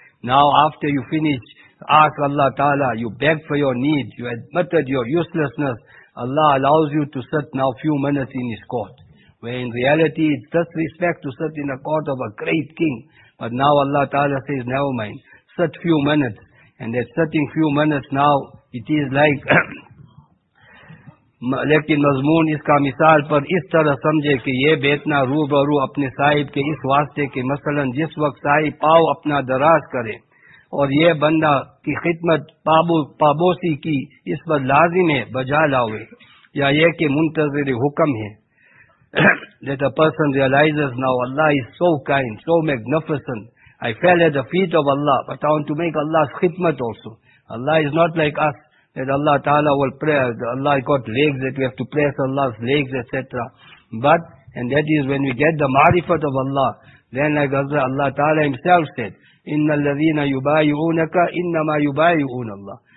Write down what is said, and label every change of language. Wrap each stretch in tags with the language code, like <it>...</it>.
<en>Now after you finish, ask Allah Ta'ala, you beg for your need, you admitted your uselessness, Allah allows you to sit now few minutes in His court. Where in reality it's disrespect to sit in the court of a great king. But now Allah Ta'ala says, never mind, sit few minutes. And that sitting few minutes now, it is like,</en> <ur>لیکن مضمون اس کا مثال پر اس طرح سمجھے کہ یہ بیٹھنا رو برو اپنے صاحب کے اس واسطے کے مثلا جس وقت صاحب پاؤ اپنا دراز کرے اور یہ بندہ کی خدمت پابوسی کی اس پر لازم ہے بجا لاؤے یا یہ کہ منتظر حکم ہے.</ur> <en>That a person realizes now Allah is so kind, so magnificent. I fell at the feet of Allah, but I want to make Allah's khidmat also. Allah is not like us, that Allah Ta'ala will pray, Allah got legs, that we have to press Allah's legs, etc. But, and that is when we get the marifat of Allah, then like Allah Ta'ala Himself said,</en> <ar>إِنَّ الَّذِينَ يُبَايُعُونَكَ إِنَّمَا يُبَايُعُونَ اللَّهِ.</ar>